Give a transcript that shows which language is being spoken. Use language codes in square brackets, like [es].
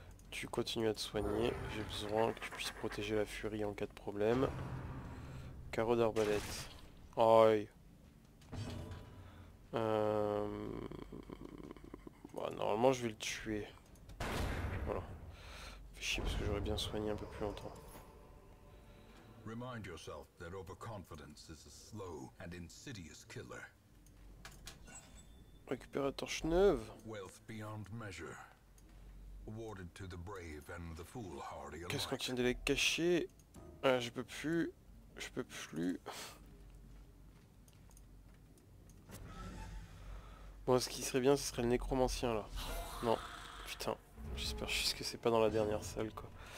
[fr] Tu continues à te soigner. J'ai besoin que tu puisses protéger la furie en cas de problème. Carreau d'arbalète. Aïe. Bon, normalement je vais le tuer. Voilà. Fais chier parce que j'aurais bien soigné un peu plus longtemps. [en] Remind yourself that overconfidence is a slow and insidious killer. [fr] Récupère la torche neuve. [en] Wealth beyond measure. Awarded to the brave and the foolhardy. [fr] Qu'est-ce qu'on tient de les cacher? Ah, je peux plus. Je peux plus. Bon, ce qui serait bien, ce serait le nécromancien là. Non. Putain. J'espère juste que c'est pas dans la dernière salle quoi.